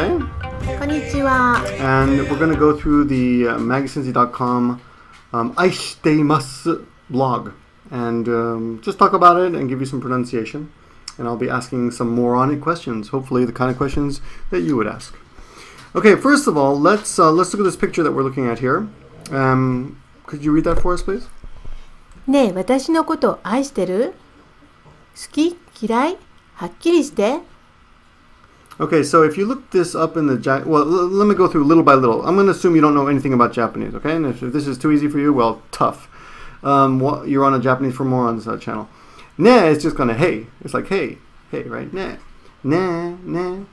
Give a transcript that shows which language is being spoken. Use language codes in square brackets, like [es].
[en] And we're going to go through the MaggieSensei.com Aishitemasu blog and just talk about it and give you some pronunciation. And I'll be asking some moronic questions, hopefully the kind of questions that you would ask. Okay, first of all, let's look at this picture that we're looking at here. Could you read that for us, please? [ja] ねえ、私のこと愛してる? 好き?嫌い?はっきりして。 [en] Okay, so if you look this up in the let me go through little by little. I'm going to assume you don't know anything about Japanese, okay? And if this is too easy for you, well, tough. You're on a Japanese4Morons channel. Ne is just kind of hey. It's like hey, right? Ne.